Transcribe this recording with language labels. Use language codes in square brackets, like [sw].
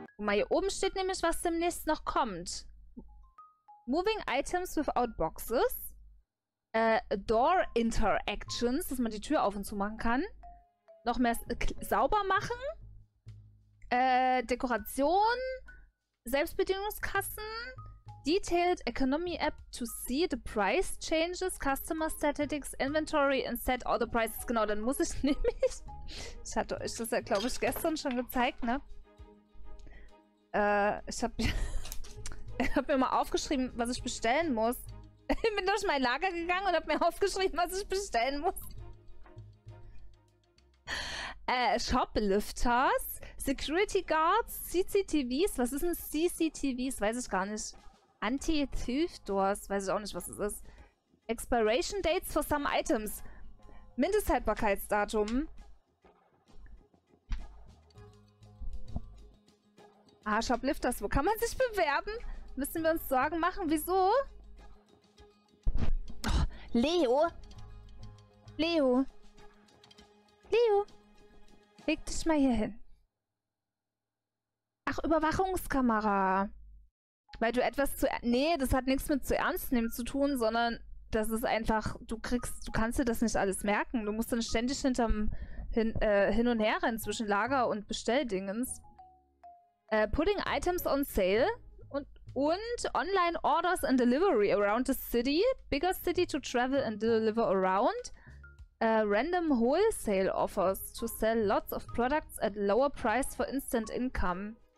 [de] mal, hier oben steht nämlich, was demnächst noch kommt. [en] Moving items without boxes. Door interactions, [de] dass man die Tür auf und zu machen kann. Noch mehr sauber machen. Dekoration. Selbstbedienungskassen. [en] Detailed economy app to see the price changes. Customer statistics, inventory and set all the prices. [de] Genau, dann muss ich nämlich... Ich hatte euch das ja, glaube ich, gestern schon gezeigt, ne? Ich hab mir mal aufgeschrieben, was ich bestellen muss. Ich bin durch mein Lager gegangen und hab mir aufgeschrieben, was ich bestellen muss. [en] Shoplifters, Security Guards, CCTVs. [de] Was ist ein CCTVs? Weiß ich gar nicht. Anti-Thief-Doors. Weiß ich auch nicht, was es ist. [en] Expiration Dates for some Items. [de] Mindesthaltbarkeitsdatum. Ah, Shoplifters, wo kann man sich bewerben? Müssen wir uns Sorgen machen? Wieso? Oh, Leo! Leo! Leo! Leg dich mal hier hin. Ach, Überwachungskamera. Weil du etwas zu... Nee, das hat nichts mit zu ernst nehmen zu tun, sondern das ist einfach... Du kannst dir das nicht alles merken. Du musst dann ständig hin und her rennen zwischen Lager und Bestelldingens. [en] Putting items on sale. Und online orders and delivery around the city. Bigger city to travel and deliver around. Random wholesale offers to sell lots of products at lower price for instant income.